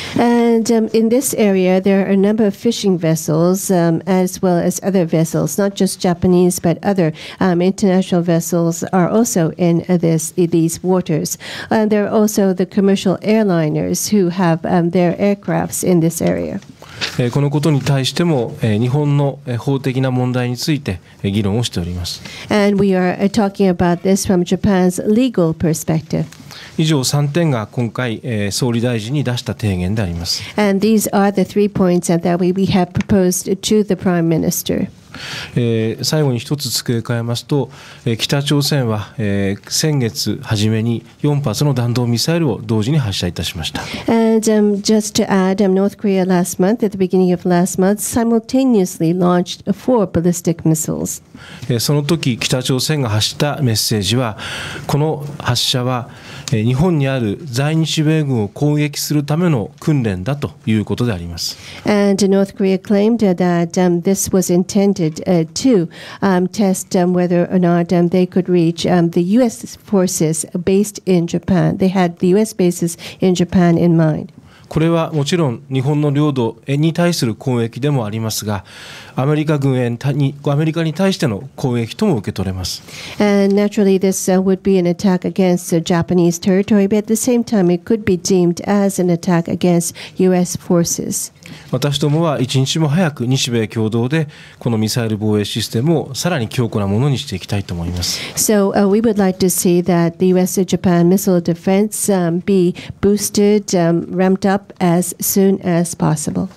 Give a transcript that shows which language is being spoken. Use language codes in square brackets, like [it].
[en] And And in this area, there are a number of fishing vessels, as well as other vessels, not just Japanese, but other international vessels are also in these waters. And there are also the commercial airliners who have their aircrafts in this area. [ja] このことに対しても日本の法的な問題について議論をしております。 [en] And we are talking about this from Japan's legal perspective. [ja] 以上3点が今回総理大臣に出した提言であります。 [en] And these are the three points that we have proposed to the Prime Minister. [ja] 最後に一つ付け加えますと、北朝鮮は先月初めに4発の弾道ミサイルを同時に発射いたしました。 [en] And, just to add, North Korea last month, at the beginning of last month, simultaneously launched four ballistic missiles. [ja] その時北朝鮮が発したメッセージは、この発射は日本にある在日米軍を攻撃するための訓練だということであります。 [en] And North Korea claimed that this was intended to test whether or not they could reach the US forces based in Japan. They had the US bases in Japan in mind. [ja] これはもちろん日本の領土に対する攻撃でもありますが、アメリカ軍へに、アメリカに対しての攻撃とも受け取れます。 [en] And naturally this would be an attack against Japanese territory, but at the same time it could be deemed as an attack against US forces. [ja] 私どもは一日も早く日米共同でこのミサイル防衛システムをさらに強固なものにしていきたいと思います。 [en] So we would like to see that the US-Japan missile defense be boosted, ramped up as soon as possible.